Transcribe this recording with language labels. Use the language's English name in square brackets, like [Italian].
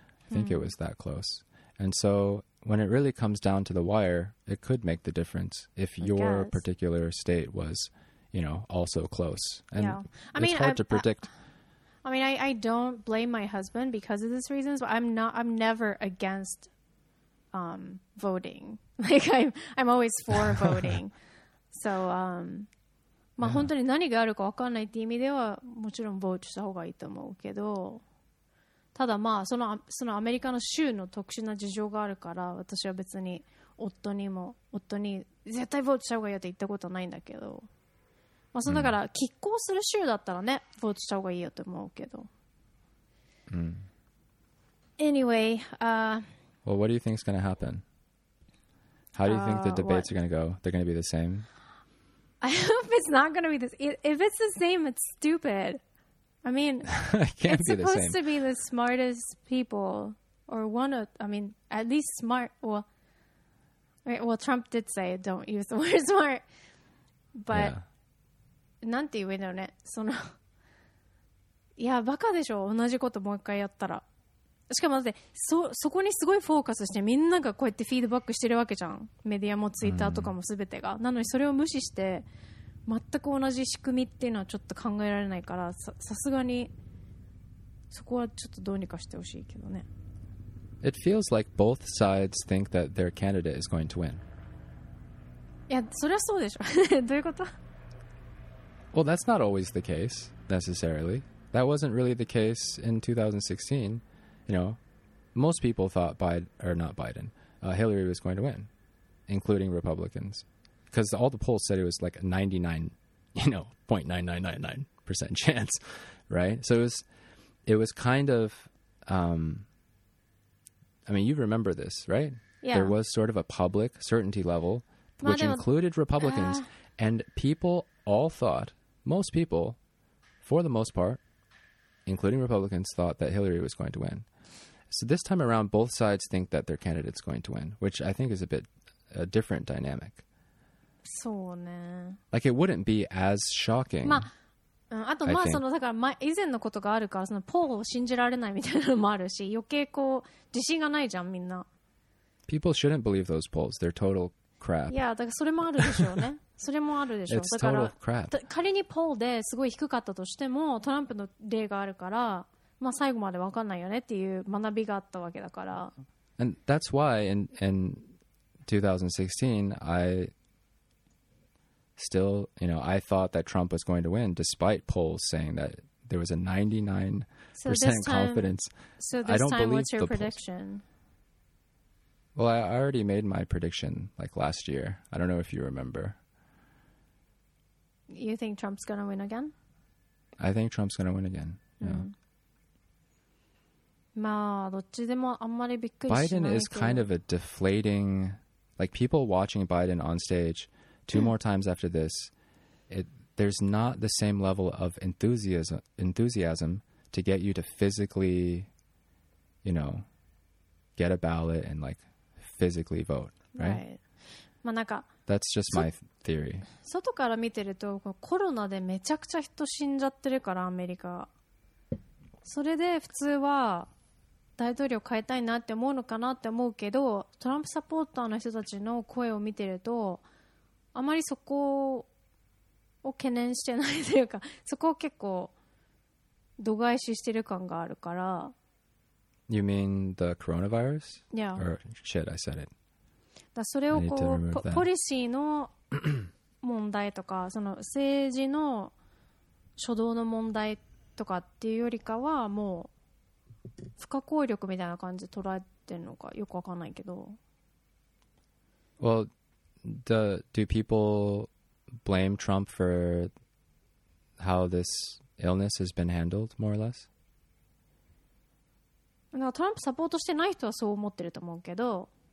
[English] I think it was that close. And so, when it really comes down to the wire, it could make the difference if your particular state was, you know, also close. And yeah. I mean, it's hard to predict. I mean, I don't blame my husband because of these reasons, but I'm never against voting. Like I'm always for voting. [Japanese] So, まあ本当に何があるか分かんないって意味ではもちろんボートした方がいいと思うけど、ただまあそのアメリカの州の特殊な事情があるから、私は別に夫に絶対ボートした方がいいって言ったことはないんだけど。まあ、そうだから、拮抗する州だったらね、ボートした方がいいよと思うけど。 [English] Anyway, Well, what do you think is going to happen? How do you think the debates are going to go? They're going to be the same? I hope it's not going to be the same. If it's the same, it's stupid. I mean, it can't it's be supposed the same. To be the smartest people. or one of, I mean, at least smart. Well, Trump did say don't use the word smart. But, yeah. [Japanese] なんて言うのね、その、いや、バカでしょ、同じこともう一回やったら。しかもだって、そこにすごいフォーカスして、みんながこうやってフィードバックしてるわけじゃん。メディアもツイッターとかも全てが。なのに、それを無視して、全く同じ仕組みっていうのはちょっと考えられないから、さすがに、そこはちょっとどうにかしてほしいけどね。 [English] It feels like both sides think that their candidate is going to win. [Japanese] いや、それはそうでしょ。どういうこと? [English] Well, that's not always the case, necessarily. That wasn't really the case in 2016. You know, most people thought Hillary was going to win, including Republicans. Because all the polls said it was like a 99.9999% chance, right? So it was kind of... I mean, you remember this, right? Yeah. There was sort of a public certainty level, which included Republicans. And people all thought, most people, for the most part, including Republicans, thought that Hillary was going to win. So this time around, both sides think that their candidate's going to win, which I think is a bit a different dynamic. [Japanese] そうね。 [English] Like, it wouldn't be as shocking. [Japanese] まあ、あと、まあ、その、だから、ま、以前のことがあるから、その、ポーを信じられないみたいなのもあるし、余計こう、自信がないじゃん、みんな。 [English] People shouldn't believe those polls. They're total crap. [Japanese] いや、だから、それもあるでしょうね。それもあるでしょう。 [English] It's total crap. [Japanese] 仮にポーですごい低かったとしても、トランプの例があるから、まあ、最後まで分かんないよねっていう学びがあったわけだから。 [English] And that's why in 2016, I thought that Trump was going to win despite polls saying that there was a 99% confidence. So this time, what's your prediction? Well, I already made my prediction like last year. I don't know if you remember. You think Trump's going to win again? I think Trump's going to win again. Yeah. [Japanese] まあ、どっちでもあんまりびっくりしないけど。 [English] Biden is kind of a deflating, like people watching Biden on stage two more times after this, there's not the same level of enthusiasm to get you to physically, you know, get a ballot and like physically vote, right? [Japanese] まあなんか、 [English] That's just my theory. [Japanese] 外から見てるとコロナでめちゃくちゃ人死んじゃってるからアメリカ。それで普通は大統領変えたいなって思うのかなって思うけど、トランプサポーターの人たちの声を見てるとあまりそこを懸念してないというか、そこを結構度外視してる感があるから。 [English] You mean the coronavirus? Yeah. Or shit, I said it. [Japanese] だそれをこう、ポリシーの問題とか、その政治の初動の問題とかっていうよりかは、もう不可抗力みたいな感じで捉えてるのかよくわかんないけど。 [English] Well,Do people blame Trump for how this illness has been handled, more or less? [Japanese] Trump support してない人はそう思ってると思うけど。